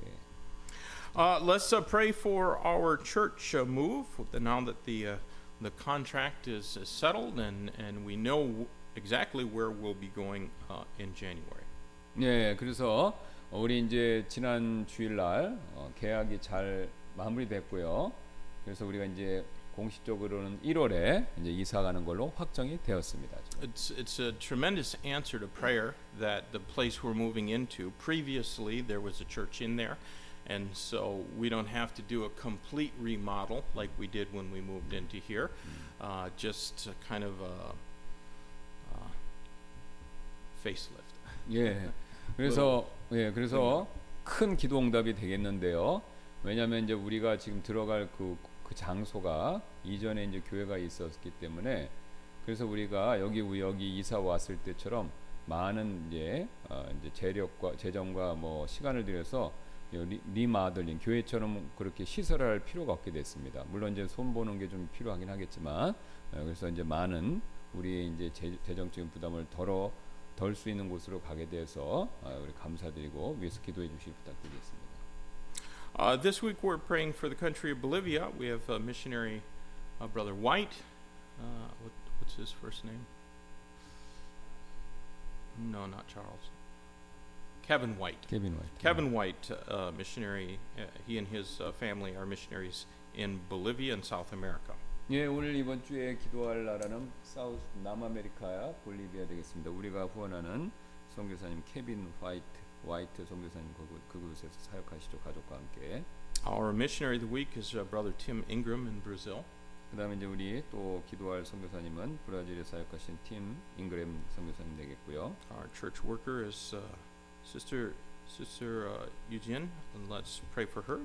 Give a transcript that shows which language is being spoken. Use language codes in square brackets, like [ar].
[ko] 예. [en] Let's pray for our church move. Now that the contract is settled and we know exactly where we'll be going in January. [ko] 예, 그래서 우리 이제 지난 주일날 계약이 잘 마무리됐고요. 그래서 우리가 이제 공식적으로는 1월에 이제 이사 가는 걸로 확정이 되었습니다. [en] It's a tremendous answer to prayer that the place we're moving into. Previously there was a church in there, and so we don't have to do a complete remodel like we did when we moved into here. Just kind of a facelift. [ko] 예. 그래서 예, 그래서 큰 기도 응답이 되겠는데요. 왜냐하면 이제 우리가 지금 들어갈 그 장소가 이전에 이제 교회가 있었기 때문에 그래서 우리가 여기 이사 왔을 때처럼 많은 이제 이제 재력과 재정과 뭐 시간을 들여서 리마들링 교회처럼 그렇게 시설을 할 필요가 없게 됐습니다. 물론 이제 손 보는 게 좀 필요하긴 하겠지만 그래서 이제 많은 우리의 이제 재정적인 부담을 덜 수 있는 곳으로 가게 돼서 우리 감사드리고 위에서 기도해 주시기 부탁드리겠습니다. [en] This week we're praying for the country of Bolivia. We have a missionary, Brother White. What's his first name? No, not Charles. Kevin White. Kevin White. Kevin White, missionary. He and his family are missionaries in Bolivia and South America. [ko] 예, 오늘 이번 주에 기도할 나라는 South 남아메리카야 볼리비아 되겠습니다. 우리가 후원하는 선교사님 케빈 화이트. White 선교사님 그곳에서 사역하시죠 가족과 함께. [en] Our missionary of the week is Brother Tim Ingram in Brazil. [ko] 그다음에 이제 우리 또 기도할 선교사님은 브라질에 사역하신 팀 잉그램 선교사님 되겠고요. [en] Our church worker is Sister Eugene, and let's pray for her.